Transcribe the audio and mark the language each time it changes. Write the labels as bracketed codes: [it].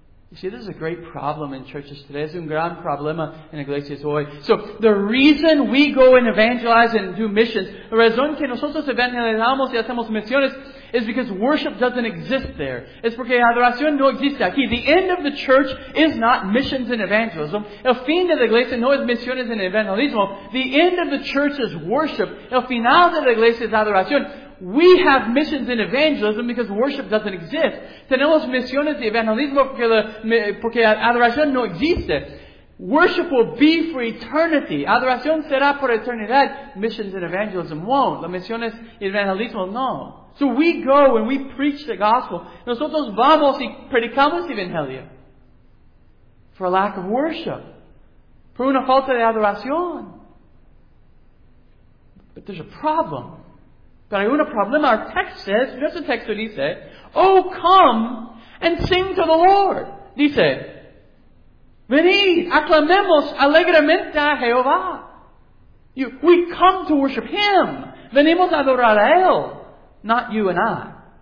[en] You see, this is a great problem in churches today. [es] Es un gran problema en iglesias hoy. [en] So, the reason we go and evangelize and do missions, [es] la razón que nosotros evangelizamos y hacemos misiones, [en] is because worship doesn't exist there. [es] Es porque adoración no existe aquí. [en] The end of the church is not missions and evangelism. [es] El fin de la iglesia no es misiones y evangelismo. [en] The end of the church is worship. [es] El final de la iglesia es adoración. [en] We have missions in evangelism because worship doesn't exist. [es] Tenemos misiones de evangelismo porque adoración no existe. [en] Worship will be for eternity. [es] Adoración será por eternidad. [en] Missions in evangelism won't. [es] Las misiones y evangelismo no. [en] So we go and we preach the gospel. [es] Nosotros vamos y predicamos evangelio. [en] For lack of worship. [es] Por una falta de adoración. [en] But there's a problem. But I want a problem. Our text says, what's the text that he said? Oh, come and sing to the Lord. [es] Dice, venid, aclamemos alegremente a Jehová. [en] We come to worship Him. [es] Venimos a adorar a Él. [en] Not you and I.